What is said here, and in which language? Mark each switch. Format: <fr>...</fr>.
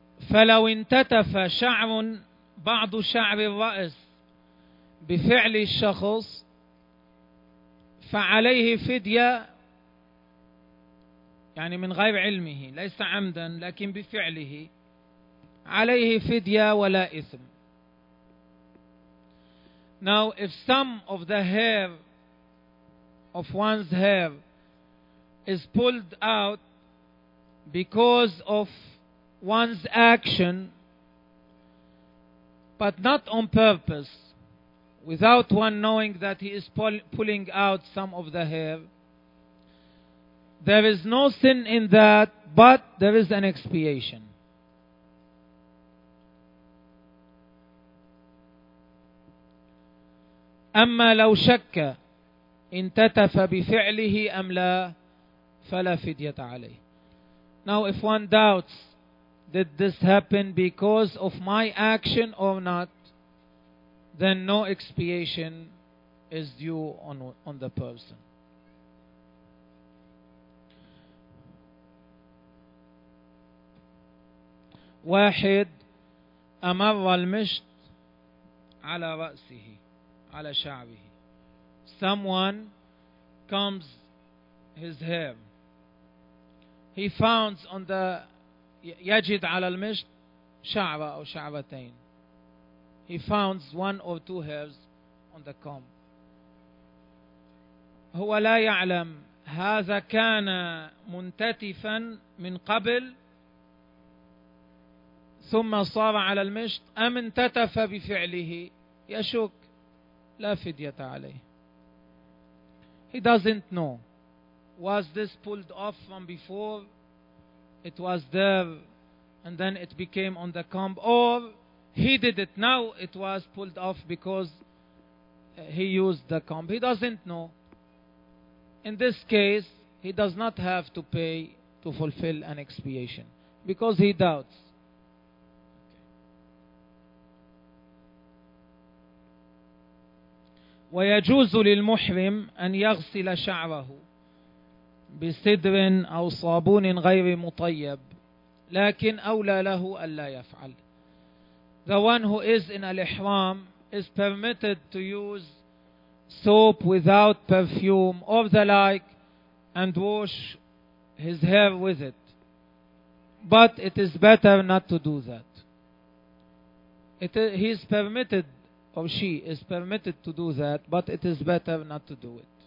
<ar>فلو انتتف شعر بعض شعر الرأس بفعل الشخص فعليه فدية، يعني من غير علمه، ليس عمدا لكن بفعله، عليه فدية ولا إثم.</ar> <en>Now, if some of the hair of one's hair is pulled out because of one's action, but not on purpose, without one knowing that he is pulling out some of the hair, there is no sin in that, but there is an expiation.</en> <ar>أما لو شك انتتف بفعله أم لا فلا فدية عليه.</ar> <en>Now if one doubts, did this happen because of my action or not, then no expiation is due on the person.</en> <ar>واحد أمر المشط على رأسه على شعبه.</ar> <en>Someone combs his hair. He founds on the</en> <ar>يجد على المشط شعرة أو شعرتين.</ar> <en>He founds one or two hairs on the comb.</en> <ar>هو لا يعلم هذا كان منتتفا من قبل ثم صار على المشط أم انتتف بفعله. يشك لا فدية عليه.</ar> <en>He doesn't know. Was this pulled off from before? It was there and then it became on the comb. Or he did it now, it was pulled off because he used the comb. He doesn't know. In this case, he does not have to pay to fulfill an expiation because he doubts.</en> <ar>ويجوز للمحرم أن يغسل شعره بسدر أو صابون غير مطيب لكن أولى له أن لا يفعل.</ar> <en>The one who is in al-ihram is permitted to use soap without perfume or the like and wash his hair with it. But it is better not to do that. He is permitted, or she is permitted to do that, but it is better not to do it.</en>